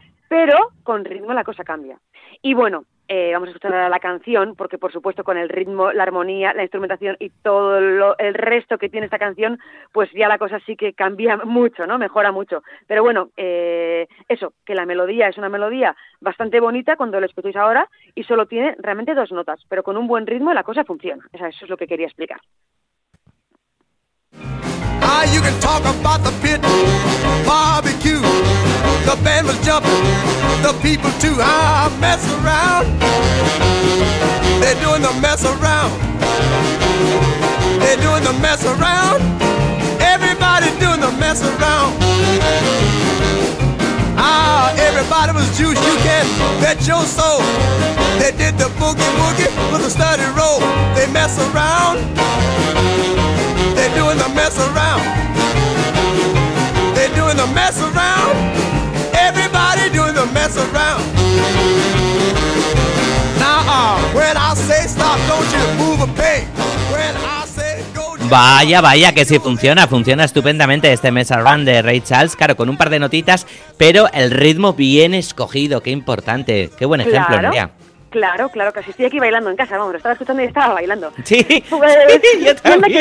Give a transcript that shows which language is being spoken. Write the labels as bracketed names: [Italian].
[Spanish] Pero con ritmo la cosa cambia. Y bueno, vamos a escuchar ahora la canción, porque por supuesto con el ritmo, la armonía, la instrumentación y todo el resto que tiene esta canción, pues ya la cosa sí que cambia mucho, ¿no? Mejora mucho. Pero bueno, eso, que la melodía es una melodía bastante bonita cuando la escucháis ahora y solo tiene realmente dos notas, pero con un buen ritmo la cosa funciona. O sea, eso es lo que quería explicar. [English] Ah, you can talk about the pit, barbecue. The band was jumping, the people too. Ah, mess around. They're doing the mess around. They're doing the mess around. Everybody doing the mess around. Ah, everybody was juiced. You can bet your soul. They did the boogie woogie with a sturdy roll. They mess around. They're doing the mess around. They're doing the mess around. Everybody doing the mess around. Now, when I say stop, don't you move a pain. When I say go. [Spanish] Vaya, vaya, que sí funciona. Funciona estupendamente este Mess Around de Ray Charles. Claro, con un par de notitas, pero el ritmo bien escogido. Qué importante. Qué buen ejemplo, claro. María. Claro, claro, casi estoy aquí bailando en casa, vamos, lo estaba escuchando y estaba bailando. Sí, pues, sí, yo también.